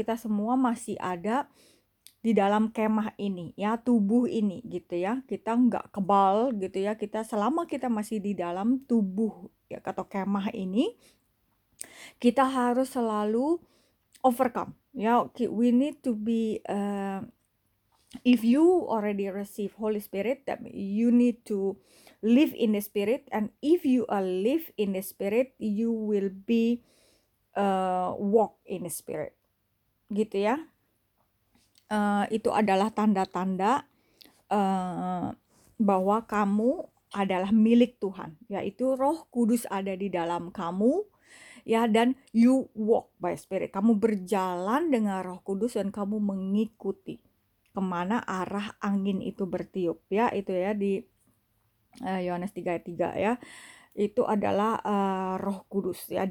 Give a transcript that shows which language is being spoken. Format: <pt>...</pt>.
<id>Kita semua masih ada di dalam kemah ini, ya, tubuh ini gitu, ya. Kita enggak kebal gitu, ya. Kita selama kita masih di dalam tubuh, ya, atau kemah ini, kita harus selalu overcome, ya.</id> <en>We need to be if you already receive Holy Spirit, then you need to live in the Spirit, and if you are live in the Spirit, you will be walk in the Spirit, gitu, ya.</en> <id>Itu adalah tanda-tanda bahwa kamu adalah milik Tuhan, yaitu Roh Kudus ada di dalam kamu, ya, dan</id> <en>you walk by Spirit.</en> <id>Kamu berjalan dengan Roh Kudus dan kamu mengikuti kemana arah angin itu bertiup, ya, itu, ya, di Yohanes 3:3, ya, itu adalah Roh Kudus, ya.</id>